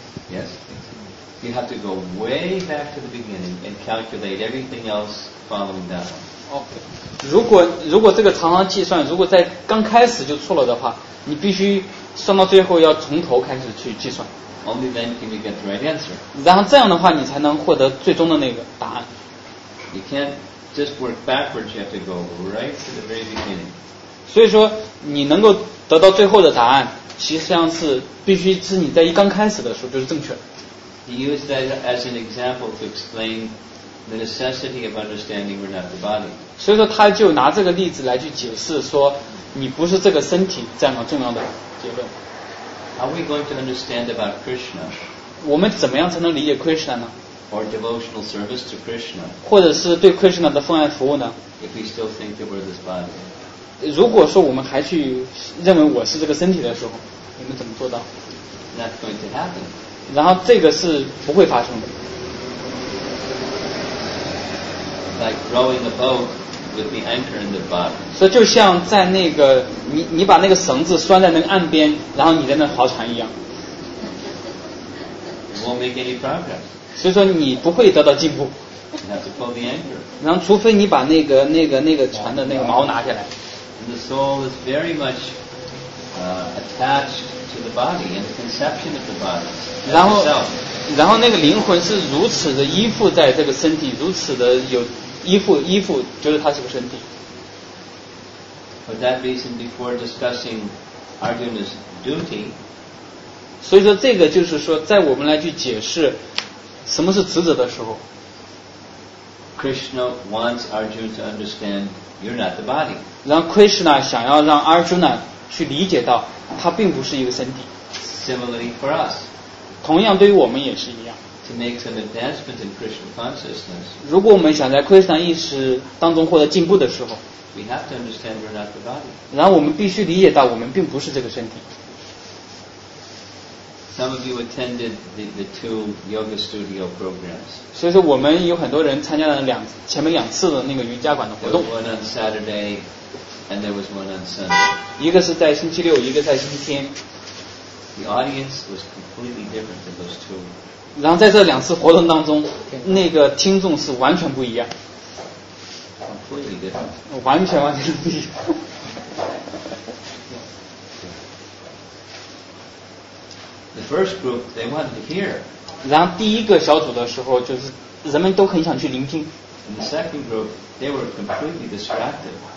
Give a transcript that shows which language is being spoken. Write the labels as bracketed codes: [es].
[en] ，Yes, you have to go way back to the beginning and calculate everything else following that. Okay. [zh] 如果这个常常计算，如果在刚开始就错了的话，你必须算到最后要从头开始去计算。 [en] Only then can you get the right answer. [zh] 然后这样的话，你才能获得最终的那个答案。 [en] You can't just work backwards. You have to go right to the very beginning. [zh] 所以说，你能够得到最后的答案，其实上是必须是你在一刚开始的时候就是正确的。 [en] He used that as an example to explain the necessity of understanding we're not the body. [zh] 所以说他就拿这个例子来去解释说你不是这个身体这样的重要的结论。 [en] Are we going to understand about Krishna? [zh] 我们怎么样才能理解 Krishna 呢 [en] ？Or devotional service to Krishna? [zh] 或者是对 Krishna 的奉爱服务呢 [en] ？If we still think that we're this body. [zh] 如果说我们还去认为我是这个身体的时候，你们怎么做到 [en] ？Not going to happen. [zh] 然后这个是不会发生的。 [en] Like rowing a boat with the anchor in the bottom. [zh] 所以就像在那个你把那个绳子拴在那个岸边，然后你在那划船一样。 [en] Won't make any progress. [zh] 所以说你不会得到进步。 [en] You have to pull the anchor. [zh] 然后除非你把那个船的那个锚拿下来。 [en] The soul is very much attached to the body and the conception of the body. [zh] 然后那个灵魂是如此的依附在这个身体，如此的有依附，觉得它是个身体。 [en] For that reason, before discussing Arjuna's duty, [zh] 所以说这个就是说，在我们来去解释什么是职责的时候 [en] ，Krishna wants Arjuna to understand. You're not the body. [zh] 然后 Krishna 想要让 Arjuna 去理解到他并不是一个身体。 [en] Since similarly for us. [zh] 同样对于我们也是一样。 [en] To make some advancement in Krishna consciousness. [zh] 如果我们想在 Krishna 意识当中获得进步的时候， [en] we have to understand we're not the body. [zh] 然后我们必须理解到我们并不是这个身体。 [en] Some of you attended the two yoga studio programs. [zh] 所以说我们有很多人参加了两前面两次的那个瑜伽馆的活动。 [en] There was one on Saturday, and there was one on Sunday. [zh] 一个是在星期六，一个在星期天。 [en] The audience was completely different than those two. [zh] 然后在这两次活动当中，那个听众是完全不一样。 [en] Completely different. [zh] 完全不一样。 [en] The first group, they wanted to hear. [zh] 然后第一个小组的时候，就是人们都很想去聆听。 [en] And the second group, they were completely distracted.